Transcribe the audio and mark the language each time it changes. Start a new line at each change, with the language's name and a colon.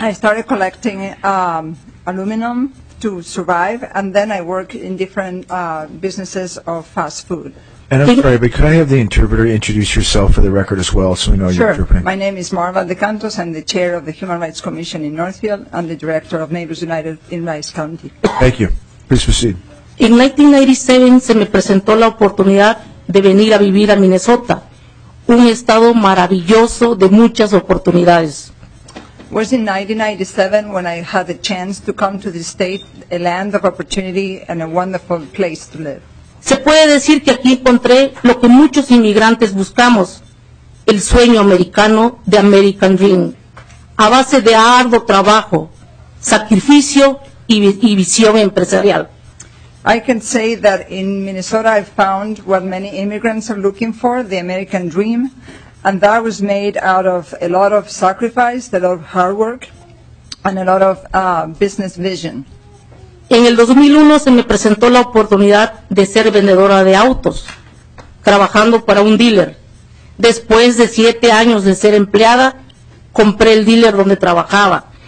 English: I started collecting aluminum to survive, and then I work in different businesses of fast food. And I'm sorry, but could I have the interpreter introduce yourself for the record as well, so we know sure. You're interpreting? My name is Marva De Cantos. I'm the chair of the Human Rights Commission in Northfield and the director of Neighbors United in Rice County. Thank you. Please proceed.
Spanish: In 1997, se me presentó la oportunidad de venir a vivir a Minnesota, un estado maravilloso de muchas oportunidades.
English: It was in 1997 when I had the chance to come to the state, a land of opportunity and a wonderful place to live.
Spanish: Se puede decir que aquí encontré lo que muchos inmigrantes buscamos, el sueño americano,
English: the American Dream,
Spanish: a base de arduo trabajo, sacrificio y visión empresarial.
English: I can say that in Minnesota I found what many immigrants are looking for, the American Dream, and that was made out of a lot of sacrifice, a lot of hard work, and a lot of business vision.
Spanish: En el 2001 se me presentó la oportunidad de ser vendedora de autos, trabajando para un dealer. Después de 7 años de ser empleada, compré el dealer donde trabajaba.